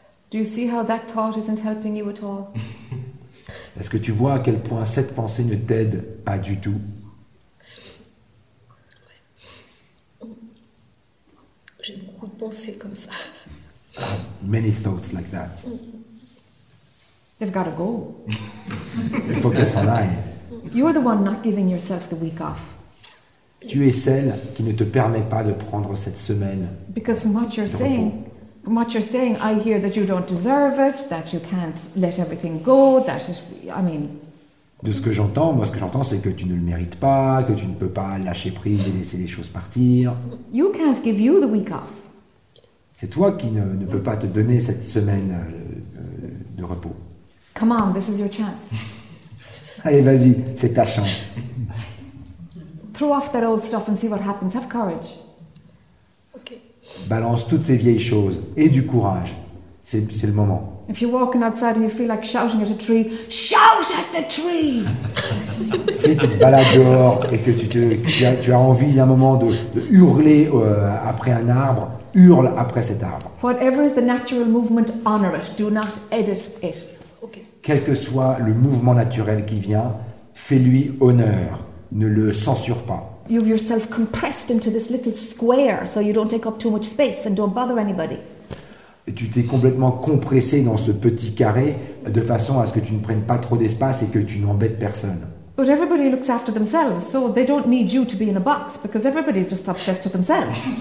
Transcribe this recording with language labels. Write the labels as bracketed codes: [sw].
[en] Do you see how that thought isn't helping you at all? [fr] Est-ce que tu vois à quel point cette pensée ne t'aide pas du tout? J'ai beaucoup de pensées comme ça. [en] Many thoughts like that. They've got to go. [fr] Il faut qu'elles s'en aillent. [en] You're the one not giving yourself the week off. [fr] Tu es celle qui ne te permet pas de prendre cette semaine. [en] Because from what you're saying, from what you're saying, I hear that you don't deserve it, that you can't let everything go, that it, I mean... [fr] De ce que j'entends, moi ce que j'entends, c'est que tu ne le mérites pas, que tu ne peux pas lâcher prise et laisser les choses partir. [en] You can't give you the week off. [fr] C'est toi qui ne peux pas te donner cette semaine de repos. [en] Come on, this is your chance. [fr] Allez, vas-y, c'est ta chance. [en] Throw off that old stuff and see what happens. Have courage. [fr] Balance toutes ces vieilles choses et du courage. C'est le moment. [en] If you're walking outside and you feel like shouting at a tree, shout at the tree! [fr] Si tu te balades dehors et que tu as envie d'un moment de hurler après un arbre, hurle après cet arbre. [en] Whatever is the natural movement, honor it. Do not edit it. Okay. [fr] Quel que soit le mouvement naturel qui vient, fais-lui honneur. Ne le censure pas. [en] You've yourself compressed into this little square so you don't take up too much space and don't bother anybody. [fr] Et tu t'es complètement compressé dans ce petit carré de façon à ce que tu ne prennes pas trop d'espace et que tu n'embêtes personne. [en] But everybody looks after themselves, so they don't need you to be in a box because everybody's just obsessed with themselves.